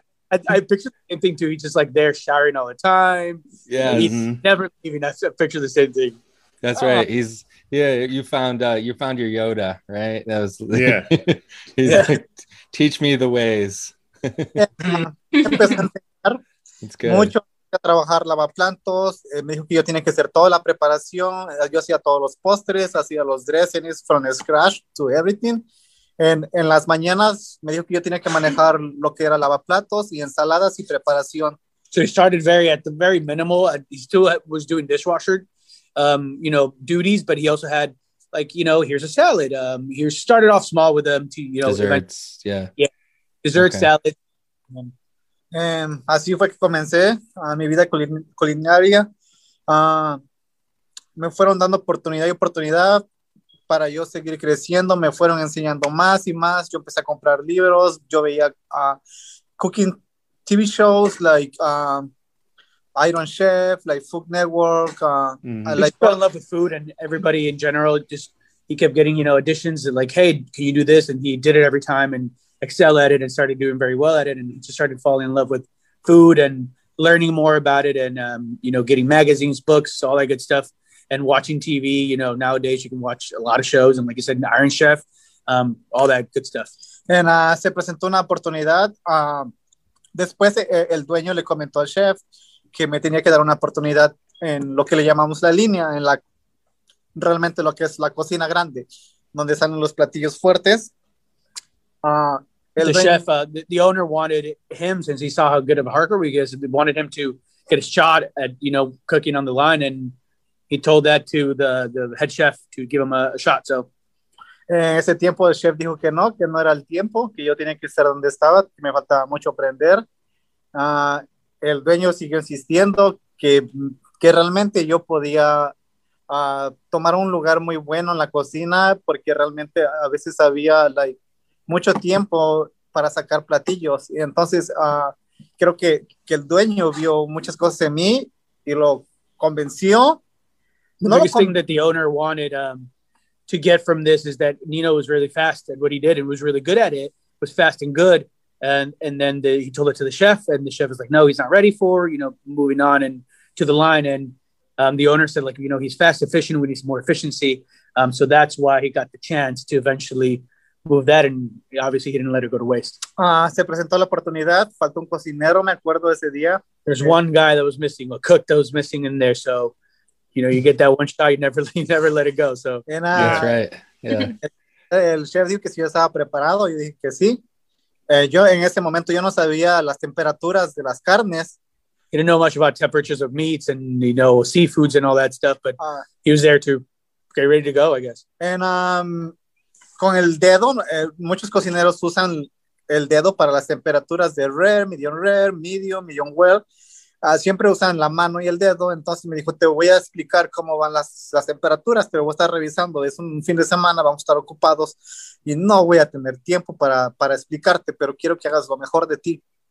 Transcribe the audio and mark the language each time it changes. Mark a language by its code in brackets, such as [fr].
[en] I picture the same thing too. He's just like there showering all the time. Yeah. He's never leaving. I picture the same thing. That's right. He's, yeah, you found your Yoda, right? That was, yeah. He's like, teach me the ways. It's good. [es] A trabajar lavaplatos, me dijo que yo tenía que hacer toda la preparación, yo hacía todos los postres, hacía los dressings [en] from scratch to everything. [es] En las mañanas me dijo que yo tenía que manejar lo que era lavaplatos y ensaladas y preparación. [en] So he started very at the very minimal. He still was doing dishwasher, you know, duties, but he also had like, you know, here's a salad. He started off small with them to, you know, desserts. Yeah. Yeah. Dessert, okay. Salad. [es] Así fue que comencé mi vida culinaria. Me fueron dando oportunidad y oportunidad para yo seguir creciendo. Me fueron enseñando más y más. Yo empecé a comprar libros. Yo veía [en] cooking TV shows like Iron Chef, like Food Network. Just fell in love with food and everybody in general. Just he kept getting, you know, additions and like, hey, can you do this? And he did it every time and excel at it and started doing very well at it and just started falling in love with food and learning more about it and you know, getting magazines, books, all that good stuff, and watching TV. You know, nowadays you can watch a lot of shows and like you said, Iron Chef, all that good stuff. [es] And se presentó una oportunidad. Después el dueño le comentó al chef que me tenía que dar una oportunidad en lo que le llamamos la línea, en la realmente lo que es la cocina grande, donde salen los platillos fuertes. [en] The owner wanted him, since he saw how good of a hacker he is, wanted him to get a shot at, you know, cooking on the line, and he told that to the head chef to give him a shot. So [es] ese tiempo el chef dijo que no era el tiempo, que yo tenía que estar donde estaba, que me faltaba mucho aprender. El dueño siguió insistiendo que realmente yo podía tomar un lugar muy bueno en la cocina, porque realmente a veces había like mucho tiempo para sacar platillos. Y entonces creo que el dueño vio muchas cosas en mí y lo convenció. [en] The biggest thing that the owner wanted to get from this is that Nino was really fast at what he did and was really good at it, was fast and good. And then he told it to the chef, and the chef was like, no, he's not ready for, you know, moving on and to the line. And the owner said, like, you know, he's fast, efficient, we need some more efficiency. So that's why he got the chance to eventually move that, and obviously he didn't let it go to waste. [es] Se presentó la oportunidad, faltó un cocinero, me acuerdo ese día. [en] There's one guy that was missing, a cook that was missing in there, so, you know, you get that one shot, you never let it go, so. That's right, yeah. [es] El chef dijo que si yo estaba preparado, yo dije que sí. Yo, en ese momento, yo no sabía las temperaturas de las carnes. [en] He didn't know much about temperatures of meats and, you know, seafoods and all that stuff, but he was there to get ready to go, I guess. [es] And, con el dedo, muchos cocineros usan el dedo para las temperaturas de rare, medium, medium well. Siempre usan la mano y el dedo. Entonces me dijo, te voy a explicar cómo van las temperaturas, pero voy a estar revisando. Es un fin de semana, vamos a estar ocupados y no voy a tener tiempo para explicarte, pero quiero que hagas lo mejor de ti.